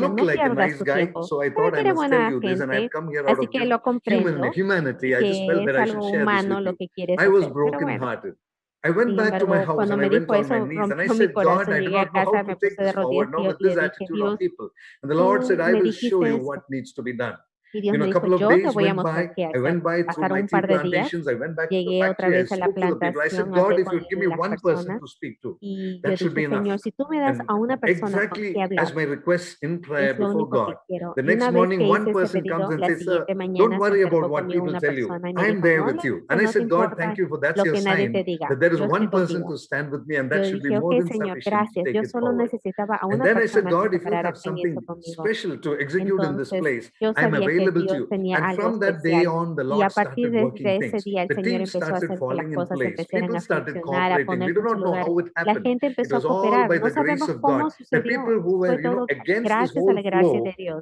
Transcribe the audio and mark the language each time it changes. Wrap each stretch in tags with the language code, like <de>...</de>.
<en>You look like a nice guy, so I thought I must tell you this, and I've come here out of humanity. I just felt that I should share this with you. I was broken hearted. I went back to my house and I went on my knees and I said, God, I do not know how to take this forward, not with this attitude of people. And the Lord said, I will show you what needs to be done.</en> <es>Y Dios me dijo, yo te voy a mostrar qué hacer. Pasaron un par de días, llegué otra vez a la plantación, hablé con las personas, y yo dije, Señor, si tú me das a una persona con qué hablar, es lo único que quiero. Y una vez que hice ese pedido, la siguiente mañana se acercó conmigo una persona y me dijo, no, no te importa lo que nadie te diga, yo estoy contigo. Yo dije, ok, Señor, gracias, yo solo necesitaba a una persona que se parara en eso conmigo.</es> <en>Special to execute in this place, I'm available to you. And from that day on, the Lord started working things. The team started falling in place. People started cooperating. We do not know how it happened. It was all by the grace of God. The people who were, you know, against this whole flow</en>